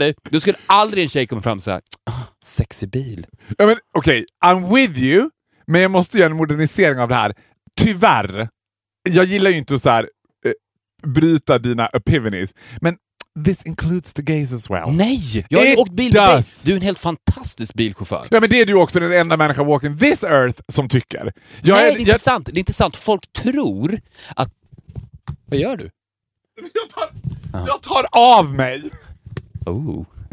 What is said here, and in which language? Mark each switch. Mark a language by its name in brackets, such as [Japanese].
[Swedish] Då skulle aldrig en tjej komma fram såhär. Sexy bil. Ja, men, okej, [English] okay. I'm with you. [Swedish] Men jag måste göra en modernisering av det här. Tyvärr, jag gillar ju inte att så här, bryta dina epiphanies. [English] Men this includes the gays as well. [Swedish] Nej, jag har ju åkt bil med dig. Du är en helt fantastisk bilchaufför. Ja, men det är du också, den enda människa [English] walking this earth [Swedish] som tycker. Det är inte sant. Folk tror att... Vad gör du? Jag tar av mig. Oh.